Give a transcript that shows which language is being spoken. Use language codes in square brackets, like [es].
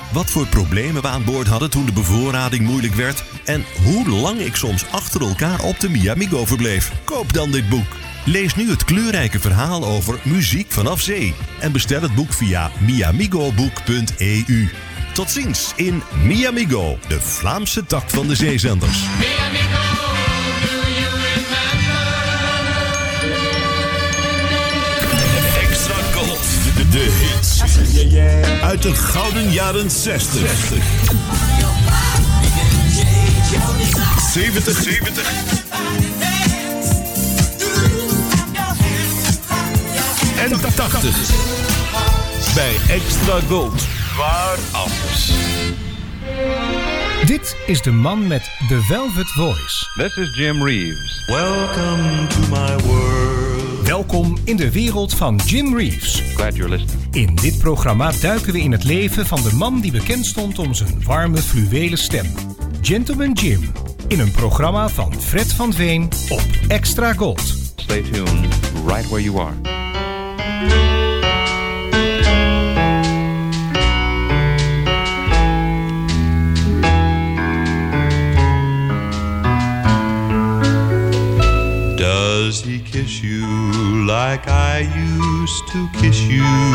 [nl] Wat voor problemen we aan boord hadden toen de bevoorrading moeilijk werd? En hoe lang ik soms achter elkaar op de Miami Go verbleef? Koop dan dit boek. Lees nu het kleurrijke verhaal over muziek vanaf zee en bestel het boek via miamigoboek.eu. Tot ziens in Miami Go, de Vlaamse tak van de zeezenders. [en] Miami Go, do you remember? [nl] Extra Gold, de hits. Yeah. Uit de gouden jaren 60. 70. En 80. Bij Extra Gold. Waar anders? Dit is de man met de [en] velvet voice. This is Jim Reeves. Welcome to my world. [nl] Welkom in de wereld van Jim Reeves. [en] Glad you're listening. [nl] In dit programma duiken we in het leven van de man die bekend stond om zijn warme fluwelen stem. Gentleman Jim. In een programma van Fred van Veen op Extra Gold. [en] Stay tuned right where you are. Does he kiss you like I used to kiss you?